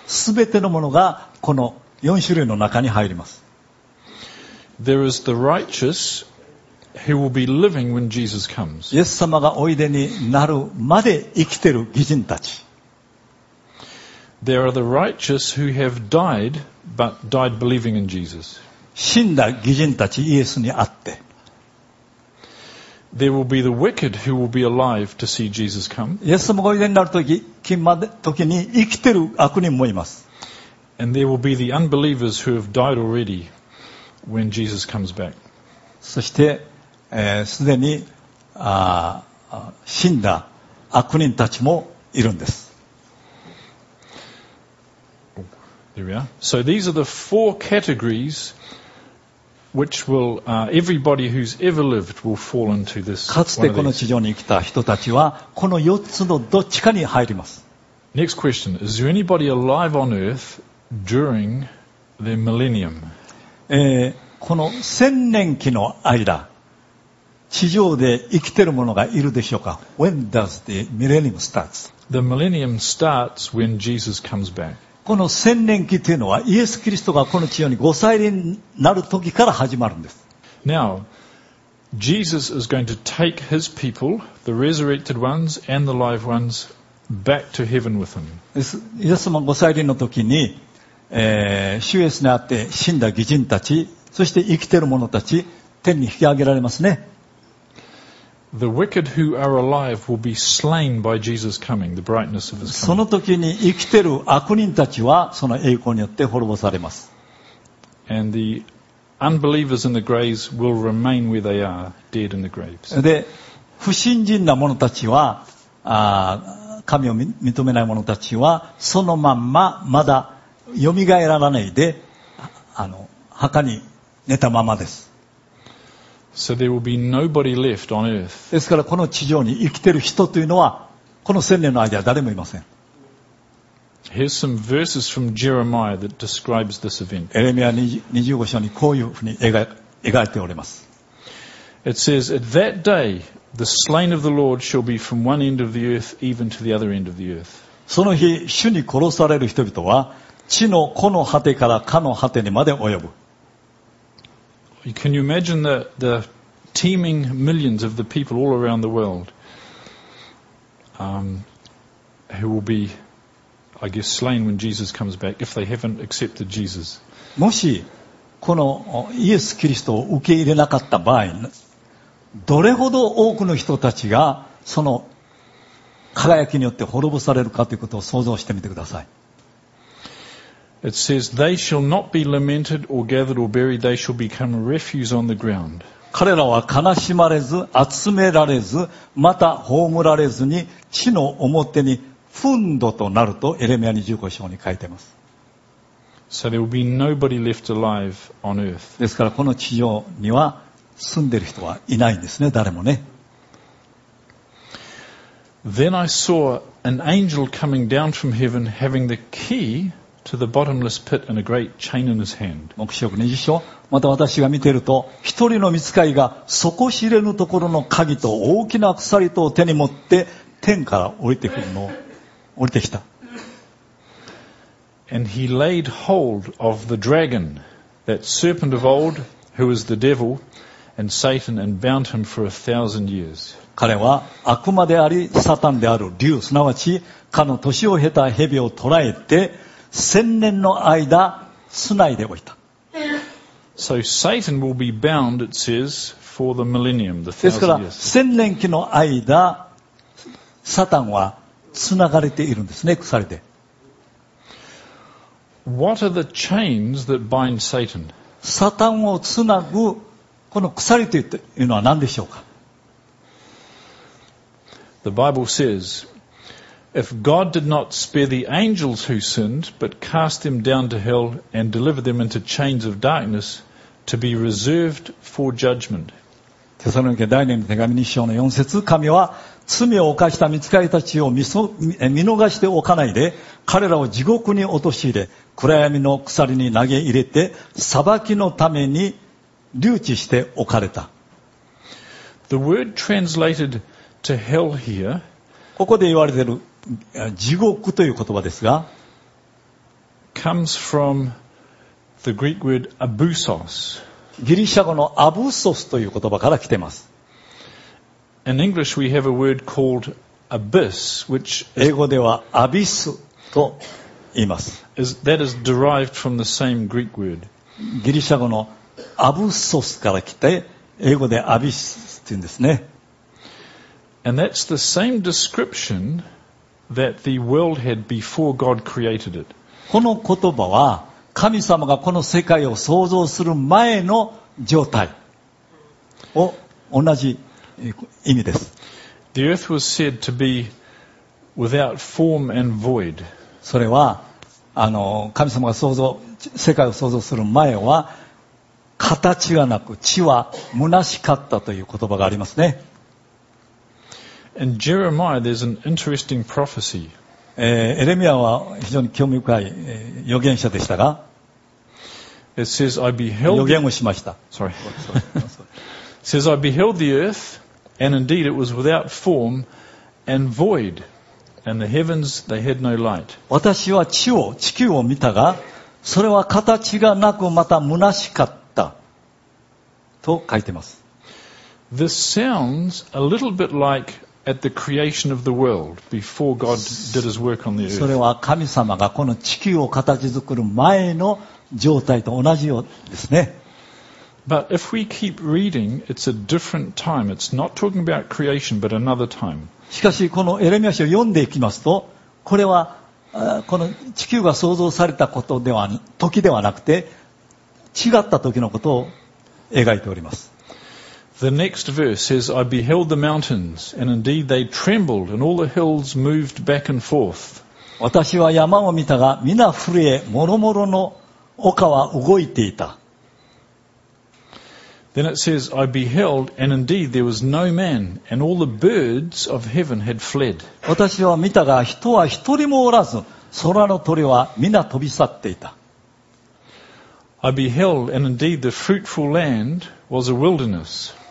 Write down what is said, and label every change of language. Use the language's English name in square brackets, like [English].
[Japanese] すべてのものがこの4種類の中に入ります。 [English] There is the righteous who will be living when Jesus comes. [Japanese] イエス様がおいでになるまで生きている義人たち。 [English] There are the righteous who have died, but died believing in Jesus. [Japanese] 死んだ義人たち、イエスにあって。 [English] There will be the wicked who will be alive to see Jesus come. [Japanese] イエス様がおいでになる時に生きてる悪人もいます。 [English] And there will be the unbelievers who have died already when Jesus comes back. [Japanese] そして、すでに、死んだ悪人たちもいるんです。 [English] There we are. So these are the four categories which will, everybody who's ever lived will fall into this. [Japanese] かつてこの地上に生きた人たちはこの4つのどっちかに入ります。 [English] Next question. Is there anybody alive on earth during the millennium? [Japanese] この千年期の間、地上で生きているものがいるでしょうか? [English] When does the millennium start? The millennium starts when Jesus comes back. [Japanese] この千年期というのはイエス・キリストがこの地上にご再臨になる時から始まるんです。 [English] Now, Jesus is going to take his people, the resurrected ones and the live ones, back to heaven with him. [Japanese] イエス様ご再臨の時に、主イエスに会って死んだ義人たち、そして生きている者たち、天に引き上げられますね。 [English] The wicked who are alive will be slain by Jesus coming, the brightness of his coming. [Japanese] その時に生きている悪人たちはその栄光によって滅ぼされます。 [English] And the unbelievers in the graves will remain where they are, dead in the graves. [Japanese] で、不信心な者たちは、神を認めない者たちは、そのまんままだ蘇らないで、墓に寝たままです。 [English] So there will be nobody left on earth. [Japanese] ですからこの地上に生きている人というのはこの千年の間誰もいません。 [English] Here's some verses from Jeremiah that describes this event. [Japanese] エレミア25章にこういうふうに描いておれます。 [English] It says, at that day, the slain of the Lord shall be from one end of the earth even to the other end of the earth. [Japanese] その日、主に殺される人々は地のこの果てからかの果てにまで及ぶ。 [English] Can you imagine the teeming millions of the people all around the world, who will be, I guess, slain when Jesus comes back if they haven't accepted Jesus? [Japanese] もしこのイエス・キリストを受け入れなかった場合、どれほど多くの人たちがその輝きによって滅ぼされるかということを想像してみてください。 [English] It says, they shall not be lamented or gathered or buried, they shall become refuse on the ground. [Japanese] 彼らは悲しまれず、集められず、また葬られずに、地の表に糞土となると、エレミア25章に書いています。 [English] So there will be nobody left alive on earth. [Japanese] ですからこの地上には住んでる人はいないんですね、誰もね。 [English] Then I saw an angel coming down from heaven having the key to the bottomless pit and a great chain in his hand. [Japanese] 黙示録20章。また私が見ていると、一人の御使いが底知れぬところの鍵と大きな鎖とを手に持って天から降りてくるの、降りてきた。 [English] And he laid hold of the dragon, that serpent of old, who is the devil and Satan, and bound him for a thousand years. [Japanese] 彼は悪魔であり、サタンである竜、すなわち、かの年を経た蛇を捕らえて、千年の間繋いでおいた。 [English] So Satan will be bound, it says, for the millennium, the thousand years. [Japanese] ですから千年期の間、サタンは繋がれているんですね、鎖で。 [English] What are the chains that bind Satan? [Japanese] サタンを繋ぐこの鎖というのは何でしょうか。 [English] The Bible says. If God did not spare the angels who sinned, but cast them down to hell and delivered them into chains of darkness to be reserved for judgment. [Japanese] テサロニケ第2の手紙2章の4節、神は罪を犯した御使いたちを見逃しておかないで、彼らを地獄に落とし入れ、暗闇の鎖に投げ入れて、裁きのために留置しておかれた。 [English] The word translated to hell here, [Japanese] ここで言われている地獄という言葉ですが、 [English] comes from the Greek word abusos. [Japanese] ギリシャ語のアブソスという言葉から来ています。 [English] In English we have a word called abyss, which [Japanese] 英語ではアビスと言います。 [English] That is derived from the same Greek word. [Japanese] ギリシャ語のアブソスから来て、英語でアビスって言うんですね。 [English] And that's the same description that the world had before God created it. [Japanese] この言葉は神様がこの世界を創造する前の状態を同じ意味です。 [English] The earth was said to be without form and void. [Japanese] それは神様が世界を創造する前は形がなく地は虚しかったという言葉がありますね。 [English] In Jeremiah, there's an interesting prophecy. [Japanese] エレミアは非常に興味深い預言者でしたが、 [English] It says, I beheld... [Japanese] 預言をしました。 [English] Sorry. says, I beheld the earth, and indeed it was without form and void, and the heavens, they had no light. [Japanese] 私は地球を見たが、それは形がなくまた虚しかったと書いてます。 [English] This sounds a little bit like at the creation of the world before God did his work on the earth. [Japanese] それは神様がこの地球を形作る前の状態と同じようですね。 [English] But if we keep reading, it's a different time. It's not talking about creation, but another time. [Japanese] しかしこのエレミア書を読んでいきますと、これはこの地球が創造されたことでは時ではなくて、違った時のことを描いております。 [English] The next verse says, I beheld the mountains, and indeed they trembled, and all the hills moved back and forth. [Japanese] 私は山を見たが、皆震え、もろもろの丘は動いていた。 [English] Then it says, I beheld, and indeed there was no man, and all the birds of heaven had fled. [Japanese] 私は見たが、人は一人もおらず、空の鳥は皆飛び去っていた。 [English] I beheld, and indeed the fruitful land was a wilderness.